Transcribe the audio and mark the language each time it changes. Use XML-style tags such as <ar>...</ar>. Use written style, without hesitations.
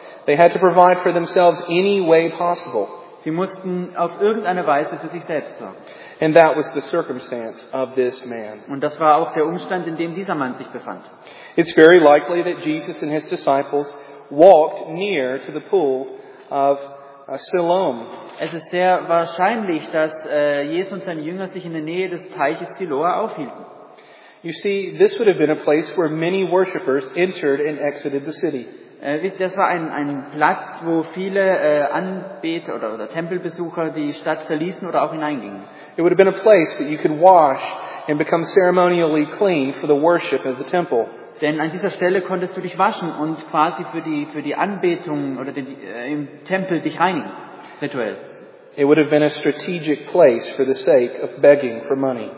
<en>They had to provide for themselves any way possible.</en> <de>Sie mussten auf irgendeine Weise für sich selbst sorgen.</de> <en>And that was the circumstance of this man.</en> <de>Und das war auch der Umstand, in dem dieser Mann sich befand.</de> <en>It's very likely that Jesus and his disciples walked near to the pool of Siloam.</en> <de>Es ist sehr wahrscheinlich, dass Jesus und seine Jünger sich in der Nähe des Teiches Siloa aufhielten.</de> <en>You see, this would have been a place where many worshippers entered and exited the city.</en> <de>Das war ein Platz, wo viele Anbeter oder Tempelbesucher die Stadt verließen oder auch hineingingen.</de> <en>It would have been a place that you could wash and become ceremonially clean for the worship of the temple.</en> <de>Denn an dieser Stelle konntest du dich waschen und quasi für die Anbetung oder im Tempel dich reinigen, rituell.</de> <en>It would have been a strategic place for the sake of begging for money.</en>